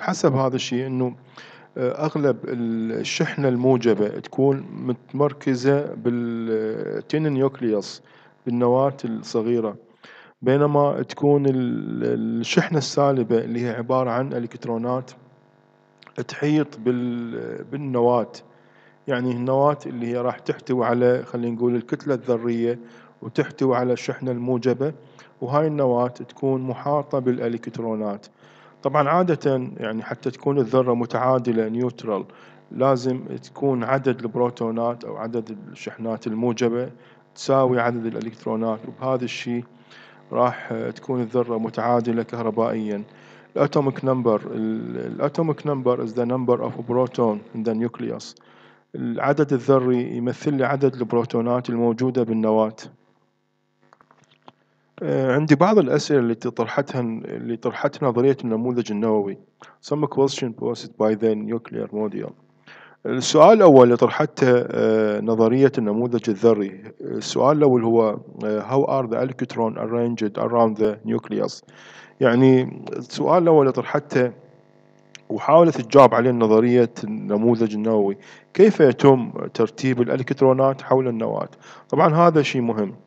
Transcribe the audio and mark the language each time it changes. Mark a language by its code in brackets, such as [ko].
[ar] حسب هذا الشيء إنه أغلب الشحنة الموجبة تكون متمركزة بالتين نيوكليوس بالنواة الصغيرة، بينما تكون الشحنة السالبة اللي هي عبارة عن الكترونات تحيط بالنواة، يعني النواة اللي هي راح تحتوي على خلينا نقول الكتلة الذرية وتحتوي على الشحنة الموجبة، وهاي النواة تكون محاطة بالالكترونات. طبعا عادة يعني حتى تكون الذرة متعادلة نيوترال لازم تكون عدد البروتونات أو عدد الشحنات الموجبة تساوي عدد الإلكترونات، وبهذا الشيء راح تكون الذرة متعادلة كهربائيا. [en] الأتوميك number is the number of proton in the nucleus. [ar] العدد الذري يمثل لي عدد البروتونات الموجودة بالنواة. عندي بعض الأسئلة اللي طرحتها نظرية النموذج النووي. [en] Some question posed by the nuclear model. [ar] السؤال الأول اللي طرحته نظرية النموذج الذري. السؤال الأول هو [en] How are the electrons arranged around the nucleus؟ [ar] يعني السؤال الأول اللي طرحته وحاولت تجاوب عليه نظرية النموذج النووي، كيف يتم ترتيب الإلكترونات حول النواة؟ طبعا هذا شيء مهم.